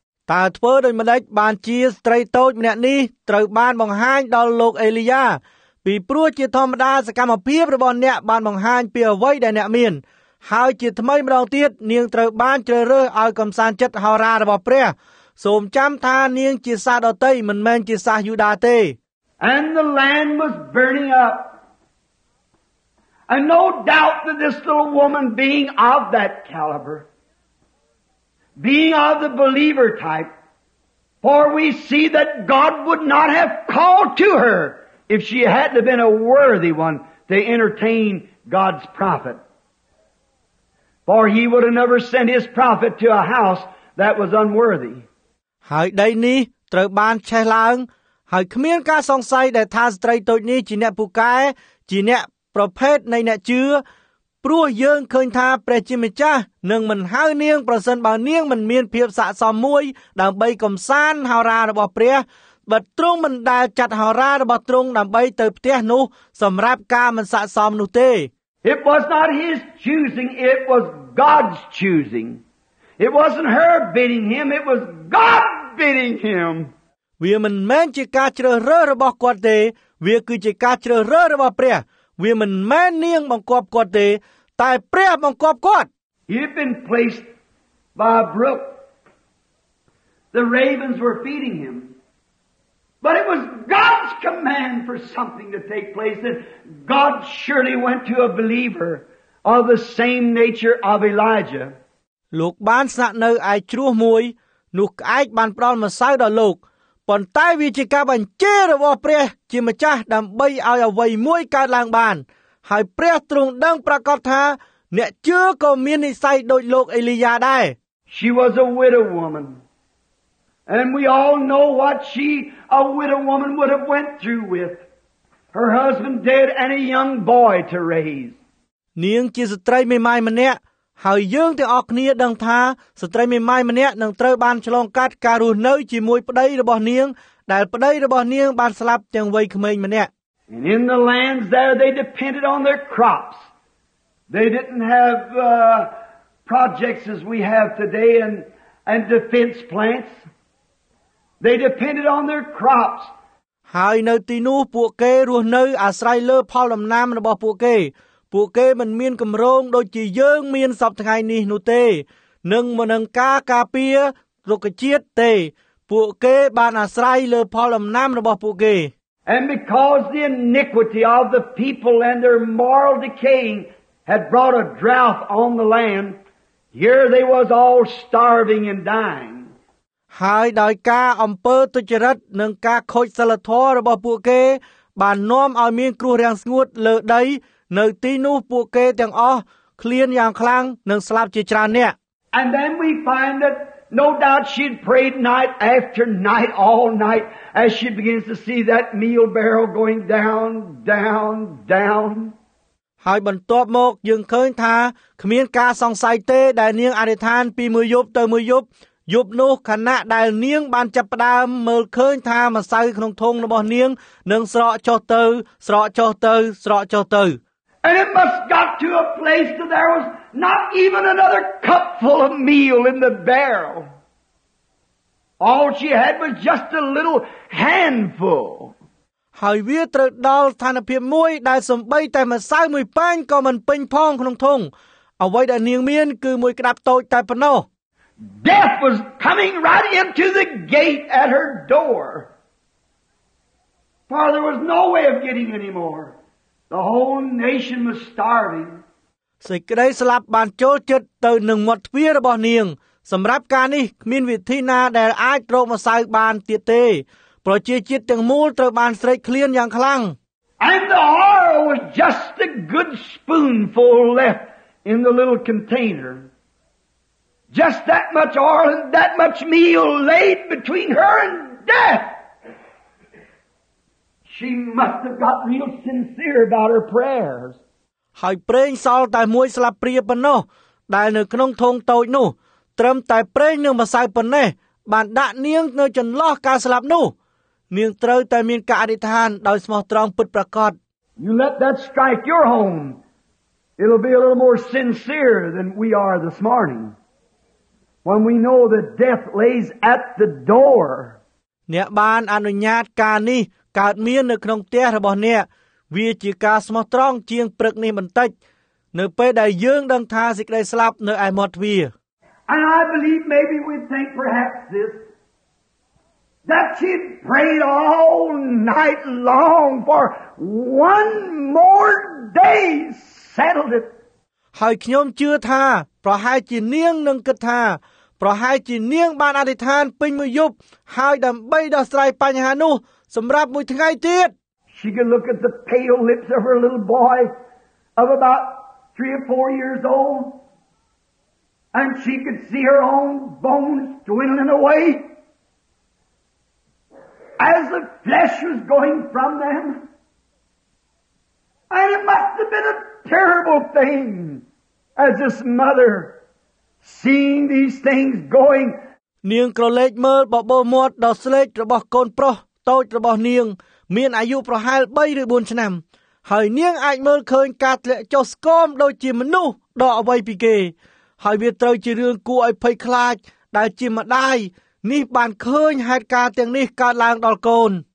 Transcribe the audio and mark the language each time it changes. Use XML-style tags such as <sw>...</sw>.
<km>តើធ្វើដោយម្លេចបានជាស្រីតូចម្នាក់នេះត្រូវបានបង្ហាញដល់លោកអេលីយ៉ាពីព្រោះជាធម្មតាសកម្មភាពរបស់អ្នកបានបង្ហាញពីអ្វីដែលអ្នកមានហើយជាថ្មីម្ដងទៀតនាងត្រូវបានជ្រើសរើសឲ្យកំសាន្តចិត្តហោរារបស់ព្រះសូមចាំថានាងជាសាសដតីមិនមែនជាសាសយូដាទេ</km> <en>And the land was burning up And no doubt that this little woman being of that caliber Being of the believer type, for we see that God would not have called to her if she hadn't been a worthy one to entertain God's prophet. For he would have never sent his prophet to a house that was unworthy.</en> <km>ហើយដីនេះត្រូវបានឆេះឡើងហើយគ្មានការសង្ស័យដែលថាស្ត្រីតូចនេះជាអ្នកពូកែជាអ្នកប្រភេទនៃអ្នកជឿព្រោះយើងឃើញថាព្រះជាម្ចាស់នឹងមិនហៅនាងប្រសិនបើនាងមិនមានភាពស័ក្តិសមមួយដើម្បីកំសាន្តហោរារបស់ព្រះបើទ្រង់មិនដែលចាត់ហោរារបស់ទ្រង់ដើម្បីទៅផ្ទះនោះសម្រាប់ការមិនស័ក្តិសមនោះទេ</km> <en>It was not his choosing it was God's choosing It wasn't her bidding him it was God bidding him</en> <km>វាមិនមែនជាការជ្រើសរើសរបស់គាត់ទេវាគឺជាការជ្រើសរើសរបស់ព្រះវាមិនមែននាងបង្គាប់គាត់ទេតែព្រះបង្គាប់គាត់</km> <en>He'd been placed by a brook The ravens were feeding him But it was God's command for something to take place and God surely went to a believer of the same nature of Elijah</en> <km>លោកបានស្នាក់នៅឯជ្រោះមួយនោះក្អែកបានផ្ដល់ម្សៅដល់លោកប៉ុន្តែវាជាការបញ្ជារបស់ព្រះជាម្ចាស់ដើម្បីឲ្យអ្វីមួយកើតឡើងបានហើយព្រះទ្រង់ដឹងប្រកាសថាអ្នកជឿក៏មាននិស័យដូចលោកអេលីយ៉ាដែរ</km> <en>She was a widow woman and we all know what she a widow woman would have went through with her husband dead and a young boy to raise</en> <km>នាងជាស្ត្រីមេម៉ាយម្នាក់ហើយយើងទាំងអស់គ្នាដឹងថាស្ត្រីមេម៉ាយម្នាក់នឹងត្រូវបានឆ្លងកាត់ការរស់នៅជាមួយប្តីរបស់នាងដែលប្តីរបស់នាងបានស្លាប់ទាំងវ័យក្មេងម្នាក់</km> <en>And in the lands there they depended on their crops. They didn't have projects as we have today and defense plants. They depended on their crops.</en> <km>ហើយនៅទីនោះពួកគេរស់នៅអាស្រ័យលើផលដំណាំរបស់ពួកគេពួកគេមិនមានកម្រោងដូចជាយើងមានសពថ្ងៃនេះនោះទេនឹងមិនការការពាររុក្ខជាតិទេពួកគេបានអាស្រ័យលើផលដំណាំរបស់ពួកគេ</km> <en>And because the iniquity of the people and their moral decaying had brought a drought on the land here they was all starving and dying</en> <km>ហើយដោយការអំពើទុច្ចរិតនិងការខូចសីលធម៌របស់ពួកគេបាននាំឲ្យមានគ្រោះរាំងស្ងួតលើដីនៅទីនោះពួកគេទាំងអស់ឃ្លានយ៉ាងខ្លាំងនិងស្លាប់ជាច្រើននាក់</km> <en>And then we find that No doubt she'd prayed night after night, all night, as she begins to see that meal barrel going down, down, down.</en> <km>ហើយបន្ទាប់មកយើងឃើញថាគ្មានការសង្ស័យទេដែលនាងអធិដ្ឋានពីមួយយប់ទៅមួយយប់យប់នោះខណៈដែលនាងបានចាប់ផ្ដើមមើលឃើញថាម្សៅក្នុងធុងរបស់នាងនឹងស្រកចុះទៅស្រកចុះទៅស្រកចុះទៅ</km> <en>And it must got to a place that there was not even another cupful of meal in the barrel. All she had was just a little handful.</en> <km>ហើយវាត្រូវដល់ស្ថានភាពមួយដែលសំបីតែម្សៅមួយប៉ែងក៏មិនពេញផងក្នុងធុងអ្វីដែលនាងមានគឺមួយក្ដាប់តូចតែប៉ុណ្ណោះ</km> <en>Death was coming right into the gate at her door. For there was no way of getting any more. The whole nation was starving.</en> <km>សេចក្ដីស្លាប់បានចូលចិត្តទៅនឹងមាត់ទ្វាររបស់នាងសម្រាប់ការនេះគ្មានវិធីណាដែលអាចរកម្សៅបានទៀតទេប្រជាជាតិទាំងមូលត្រូវបានស្រេកឃ្លានយ៉ាងខ្លាំង</km> <en>And the horror was just a good spoonful left in the little container. Just that much oil and that much meal laid between her and death. She must have got real sincere about her prayers.</en> <km>ហើយប្រេងសល់តែមួយស្លាបព្រាប៉ុណ្ណោះដែលនៅក្នុងធុងតូចនោះត្រឹមតែប្រេងនឹងម្សៅប៉ុណ្ណេះបានដាក់នាងនៅចន្លោះការស្លាប់នោះនាងត្រូវតែមានការអធិដ្ឋានដោយស្មោះត្រង់ពិតប្រាកដ</km> <en>You let that strike your home. It'll be a little more sincere than we are this morning. When we know that death lays at the door.</en> <km>អ្នកបានអនុញ្ញាតការនេះកើតមាននៅក្នុងផ្ទះរបស់អ្នកវាជាការស្មោះត្រង់ជាងព្រឹកនេះបន្តិចនៅពេលដែលយើងដឹងថាសេចក្តីស្លាប់នៅឯមាត់ទ្វារ</km> <en>And I believe maybe we think perhaps thisThat she'd prayed all night long for one more day settled it.</en> <km>ហើយខ្ញុំជឿថាប្រហែលជានាងនឹងគិតថាប្រហែលជានាងបានអធិដ្ឋានពេញមួយយប់ហើយដើម្បីដោះស្រាយបញ្ហានោះសម្រាប់មួយថ្ងៃទៀត</km> <en>She could look at the pale lips of her little boy of about 3 or 4 years old and she could see her own bones dwindling away. As the flesh was going from them, and it must have been a terrible thing as this mother seeing these things going.</en> <km>នាងក្រឡេកមើលបបោមាត់ដ៏ស្លេករបស់កូនប្រុសតូចរបស់នាងមានអាយុប្រហែល3ឬ4ឆ្នាំហើយនាងអាចមើលឃើញការធ្លាក់ចុះស្គមដូចជាមនុស្សដ៏អវ័យពីគេហើយវាត្រូវជារឿងគួរឲ្យភ័យខ្លាចដែលជាម្ដាយនេះបានឃើញហេតុការណ៍ទាំងនេះកើតឡើងដល់កូន</km>